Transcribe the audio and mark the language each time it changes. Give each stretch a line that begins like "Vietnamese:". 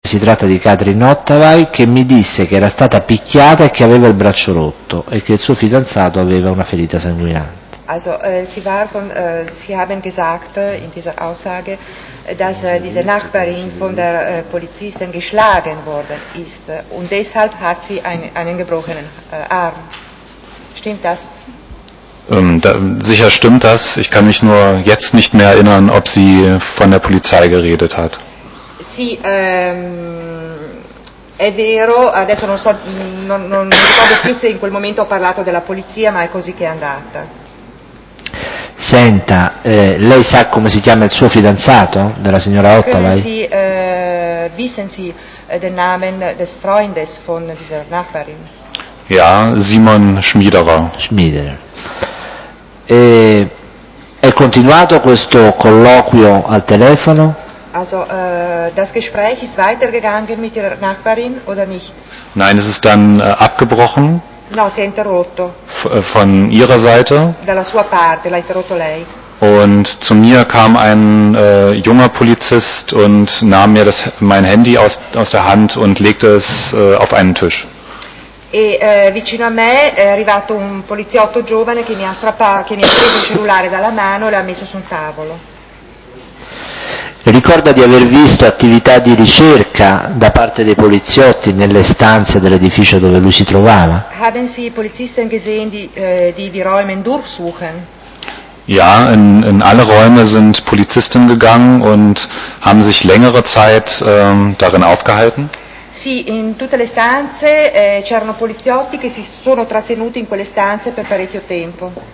Italian: Si tratta di Katrin Ottavai che mi disse che era stata picchiata e che aveva il braccio rotto e che il suo fidanzato aveva una ferita sanguinante.
German: Also, Sie haben gesagt in dieser Aussage, dass diese Nachbarin von der Polizistin geschlagen worden ist und deshalb hat sie einen gebrochenen Arm. Stimmt das? Sicher stimmt das. Ich kann mich nur jetzt nicht mehr erinnern, ob sie von der Polizei geredet hat.
Italian: Sie, è vero, adesso non so, non ricordo più se in quel momento ho parlato della polizia, ma è così che è andata. Senta, lei sa come si chiama il suo fidanzato, della signora Ottavai?
German: Sie, wissen Sie den Namen des Freundes von dieser Nachbarin? Ja, Simon Schmiederer. Schmiederer.
Italian: È continuato questo colloquio al telefono?
German: Also, das Gespräch ist weitergegangen mit ihrer Nachbarin, oder nicht? Nein, es ist dann abgebrochen.
Italian: No, si è interrotto.
German: Von ihrer Seite.
Italian: Dalla sua parte, l'ha interrotto lei.
German: Und zu mir kam ein junger Polizist und nahm mir mein Handy aus der Hand und legte es auf einen Tisch.
Italian: E vicino a me è arrivato un poliziotto giovane che mi ha preso il cellulare dalla mano e l'ha messo su un tavolo. Ricorda di aver visto attività di ricerca da parte dei poliziotti nelle stanze dell'edificio dove lui si trovava?
German: Haben Sie Polizisten gesehen, die Räume durchsuchen? Ja, in alle Räume sind Polizisten gegangen und haben sich längere Zeit darin aufgehalten?
Italian: Sì, in tutte le stanze c'erano poliziotti che si sono trattenuti in quelle stanze per parecchio tempo.